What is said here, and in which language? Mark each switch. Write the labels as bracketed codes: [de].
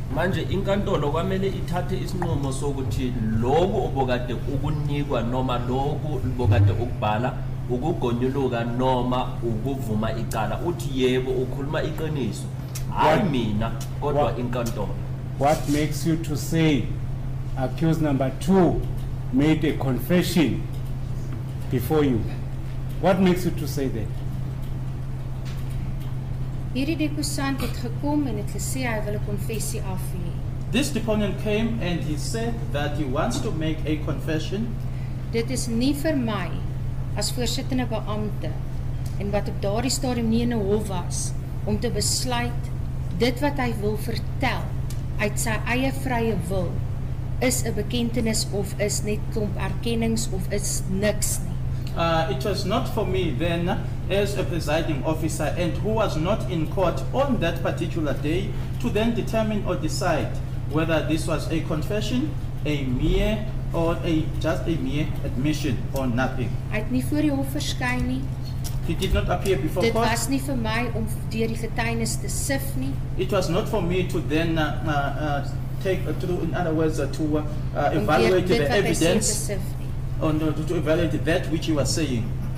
[zu] Manje inkantolo kwamele ithathe isinqumo sokuthi lokhu obokade ukunikwa noma lokhu obokade ukubhala ukugonyuluka noma ukuvuma icala uthi yebo ukhuluma iqiniso hayi mina kodwa inkantolo. [en] What makes you to say accused number two made a confession before you? What makes you to say that? [af] Hierdie deponent het gekom en het gesê hy wil 'n konfessie af hê. [en] This deponent came and he said that he wants to make a confession. [af] Dit is nie vir my as voorsittende beampte en wat op daardie stadium nie in 'n hof was om te besluit dit wat hy wil vertel uit sy eie vrye wil is 'n bekentenis of is net klomp erkennings of is niks nie. [en] It was not for me then as a presiding officer and who was not in court on that particular day to then determine or decide whether this was a confession, a mere or a just a mere admission or nothing. [af] Hy het nie voor die hof verskyn nie. [en] He did not appear before [af] dit [en] court. [af] Dit was nie vir my om deur die getuienis te sif nie. [en] It was not for me to then evaluate the evidence to evaluate that which he was saying.